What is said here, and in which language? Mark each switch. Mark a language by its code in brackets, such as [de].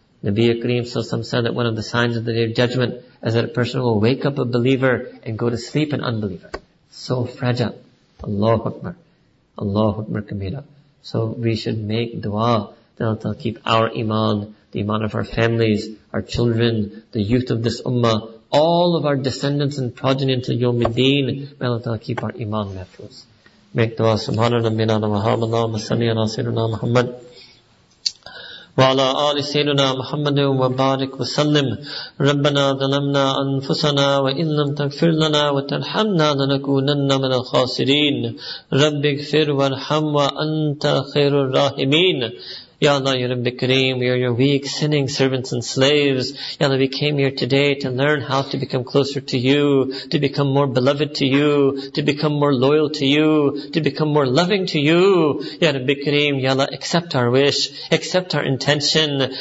[en] Nabi Kareem sallallahu alayhi wa sallam said that one of the signs of the day of judgment is that a person will wake up a believer and go to sleep an unbeliever. So fragile. Allahu Akbar. Allahu Akbar kabira. So we should make dua that Allah ta'ala keep our iman, the iman of our families, our children, the youth of this ummah, all of our descendants and progeny until Yawm al-Deen. May Allah ta'ala keep our iman mahfuz. Make dua. [ar] Subhanallah minana wa hamdan Allahumma salli ala sayyidina Muhammad وعلى آل سيدنا محمد وبارك وسلم ربنا ظلمنا أنفسنا وإن لم تغفر لنا وترحمنا لنكونن من الخاسرين رب اغفر وارحم وأنت خير الراحمين. [en] Ya Allah, Ya Rabbi Kareem, we are your weak, sinning servants and slaves. Ya Allah, we came here today to learn how to become closer to you, to become more beloved to you, to become more loyal to you, to become more loving to you. Ya Rabbi Kareem, Ya Allah, accept our wish, accept our intention.